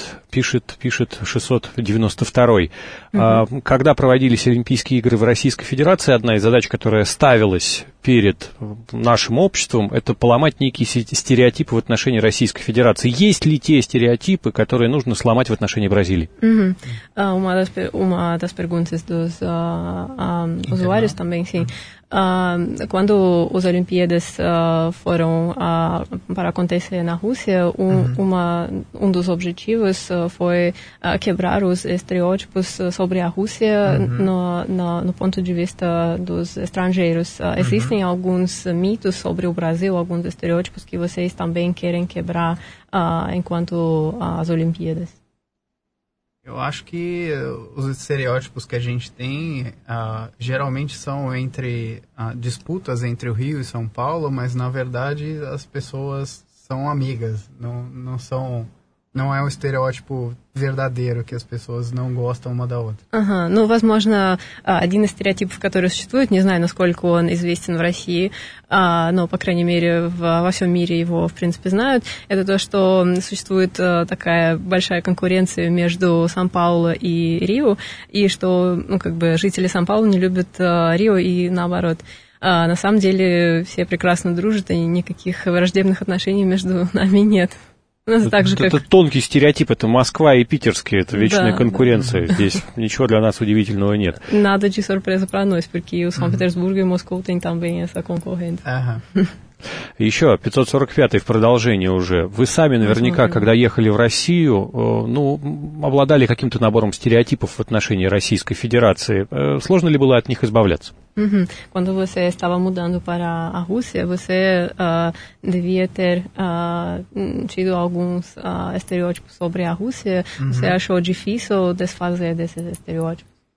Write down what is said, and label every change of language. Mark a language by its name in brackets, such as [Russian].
[Russian] Пишет 692-й. Когда проводились Олимпийские игры в Российской Федерации, одна из задач, которая ставилась перед нашим обществом, это поломать некие стереотипы в отношении Российской Федерации. Есть ли те стереотипы, которые нужно сломать в отношении Бразилии? [Portuguese] Uma das perguntas dos usuários também, sim. Quando as Olimpíadas foram para acontecer na Rússia, um dos objetivos foi quebrar os estereótipos sobre a Rússia no ponto de vista dos estrangeiros. Existem alguns mitos sobre o Brasil, alguns estereótipos que vocês também querem quebrar enquanto as Olimpíadas? Eu acho que os estereótipos que a gente tem geralmente são entre disputas entre o Rio e São Paulo, mas na verdade as pessoas são amigas, não é um estereótipo verdadeiro que as pessoas não gostam uma da outra. [Russian] Ну, возможно, один из стереотипов, который существует, не знаю, насколько он известен в России, но, по крайней мере, во всем мире его, в принципе, знают, это то, что существует такая большая конкуренция между Сан-Паулу и Рио, и что, ну, как бы, жители Сан-Паулу не любят Рио и наоборот. На самом деле все прекрасно дружат, и никаких враждебных отношений между нами нет. Это тонкий стереотип, это Москва и Питерские, это вечная конкуренция, здесь ничего для нас удивительного нет. Надо [Portuguese] de surpresa para nós, porque o São Petersburgo e Moscou tem também essa concorrência. [Russian] Еще 545-й в продолжение уже. Вы сами наверняка, когда ехали в Россию, ну, обладали каким-то набором стереотипов в отношении Российской Федерации. Сложно ли было от них избавляться? [Portuguese] Quando você estava mudando para a Rússia, você devia ter tido alguns estereótipos sobre a Rússia. Você achou difícil desfazer desses estereótipos?